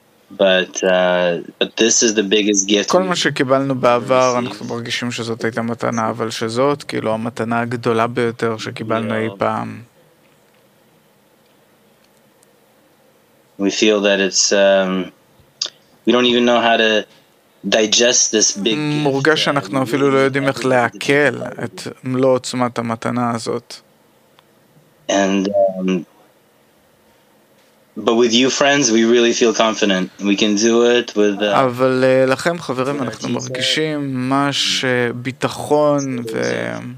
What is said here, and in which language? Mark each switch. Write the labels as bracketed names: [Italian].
[English] But this is the biggest gift. [Hebrew] כל מה שקיבלנו בעבר, אנחנו מרגישים שזאת הייתה מתנה, אבל שזאת, כאילו, המתנה הגדולה ביותר שקיבלנו אי פעם. [English] We feel that we don't even know how to digest this big gift. [Hebrew] מורגש שאנחנו אפילו לא יודעים איך להקל את מלוא עוצמת המתנה הזאת. [English] And But with you friends, we really feel confident. We can do it with [Hebrew] אבל לכם חברים אנחנו מרגישים ממש ביטחון ו